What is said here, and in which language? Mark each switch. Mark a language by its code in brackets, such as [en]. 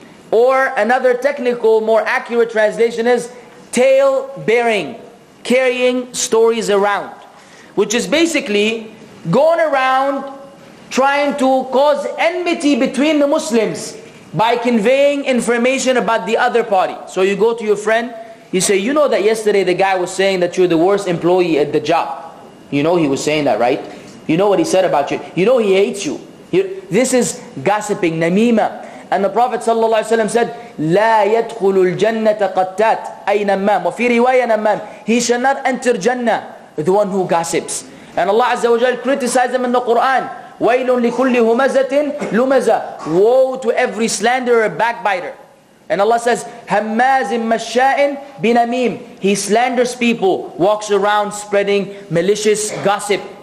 [en] Or another technical, more accurate translation is tale bearing, carrying stories around, which is basically going around trying to cause enmity between the Muslims by conveying information about the other party. So you go to your friend, you say, you know that yesterday the guy was saying that you're the worst employee at the job. You know he was saying that, right? You know what he said about you. You know he hates you. This is gossiping, namima. And the Prophet ﷺ said, [ar] لا يدخل الجنة قتات أي نمام وفي رواية نمام. [en] He shall not enter Jannah, the one who gossips. And Allah Azza wa Jal criticized him in the Quran. [ar] وَيْلٌ لِكُلِّ هُمَزَةٍ لُمَزَةٍ. [en] Woe to every slanderer, backbiter. And Allah says, [ar] هَمَّازٍ مَشَّاءٍ بِنَمِيمٍ. [en] He slanders people, walks around spreading malicious gossip.